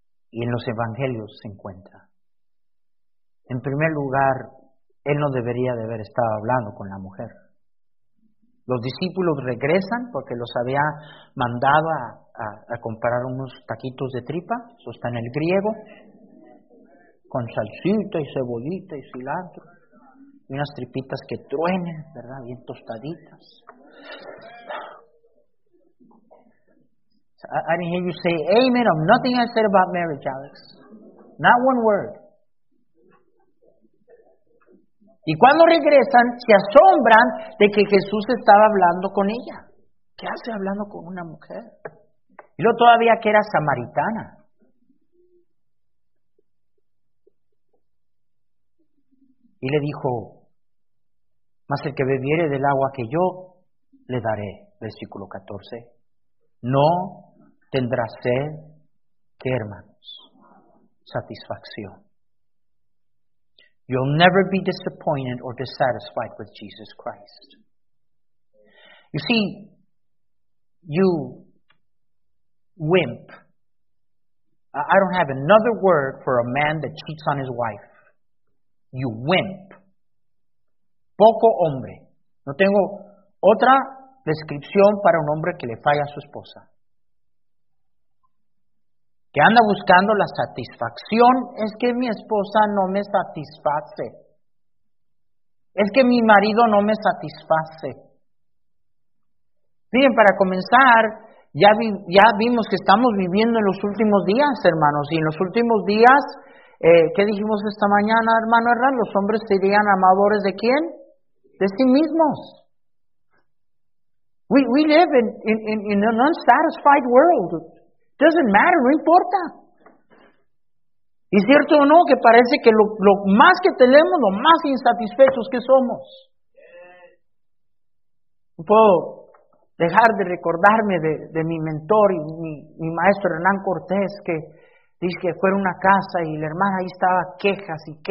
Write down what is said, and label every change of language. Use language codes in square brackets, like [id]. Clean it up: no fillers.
[es] Y en los evangelios se encuentra. En primer lugar, Él no debería de haber estado hablando con la mujer. Los discípulos regresan porque los había mandado a comprar unos taquitos de tripa, eso está en el griego, con salsita y cebollita y cilantro, y unas tripitas que truenen, ¿verdad? Bien tostaditas. [en] I didn't hear you say amen or nothing I said about marriage, Alex. Not one word. [es] Y cuando regresan, se asombran de que Jesús estaba hablando con ella. ¿Qué hace hablando con una mujer? Y luego todavía que era samaritana. Y le dijo, mas el que bebiere del agua que yo le daré, versículo 14, no tendrá sed, ¿qué hermanos? Satisfacción. [en] You'll never be disappointed or dissatisfied with Jesus Christ. You see, you wimp. I don't have another word for a man that cheats on his wife. You wimp. [es] Poco hombre. No tengo otra descripción para un hombre que le falla a su esposa. Que anda buscando la satisfacción, es que mi esposa no me satisface. Es que mi marido no me satisface. Miren, para comenzar, ya vimos que estamos viviendo en los últimos días, hermanos. Y en los últimos días, ¿qué dijimos esta mañana, hermano Herrán? ¿Los hombres serían amadores de quién? De sí mismos. [en] We live in an unsatisfied world. Doesn't matter, [es] no importa. ¿Es cierto o no que parece que lo más que tenemos, lo más insatisfechos que somos? No puedo dejar de recordarme de mi mentor y mi maestro Hernán Cortés, que dice que fue a una casa y la hermana ahí estaba quejándose.